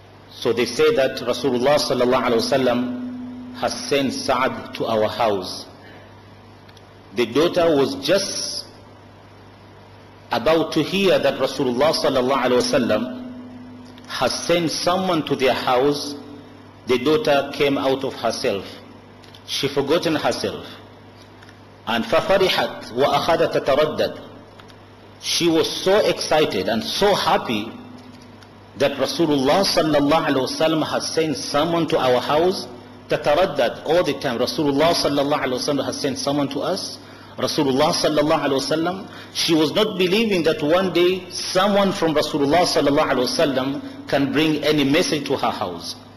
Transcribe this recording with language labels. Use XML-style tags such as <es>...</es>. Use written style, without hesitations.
<en>So they say that Rasulullah sallallahu alaihi wasallam has sent Sa'd to our house. The daughter was just about to hear that Rasulullah sallallahu alaihi wasallam has sent someone to their house. The daughter came out of herself. She forgotten herself.</en> <ar>And فَفَرِحَتْ وَأَخَذَتْ تَتَرَدَّدْ.</ar> <en>She was so excited and so happy that Rasulullah sallallahu alaihi wasallam has sent someone to our house. Tataraddad, all the time, Rasulullah sallallahu alaihi wasallam has sent someone to us. Rasulullah sallallahu alaihi wasallam. She was not believing that one day someone from Rasulullah sallallahu alaihi wasallam can bring any message to her house.</en>